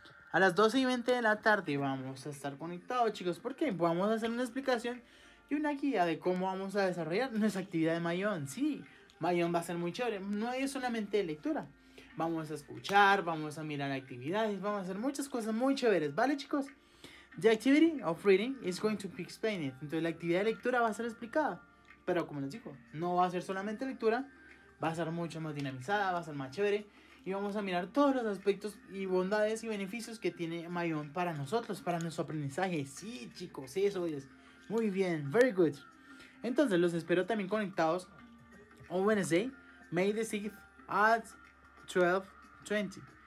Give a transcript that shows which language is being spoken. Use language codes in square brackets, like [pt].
[es] A las 12:20 de la tarde vamos a estar conectados, chicos, porque vamos a hacer una explicación y una guía de cómo vamos a desarrollar nuestra actividad de My Own. Sí, My Own va a ser muy chévere. No es solamente lectura. Vamos a escuchar, vamos a mirar actividades, vamos a hacer muchas cosas muy chéveres. ¿Vale, chicos? [en] The activity of reading is going to be explained. [es] Entonces la actividad de lectura va a ser explicada. Pero como les digo, no va a ser solamente lectura. Va a ser mucho más dinamizada, va a ser más chévere. Y vamos a mirar todos los aspectos y bondades y beneficios que tiene Mayon para nosotros, para nuestro aprendizaje. Sí, chicos, eso es. Muy bien, [en] very good. [es] Entonces los espero también conectados [en] on Wednesday, May the 6th at 12:20.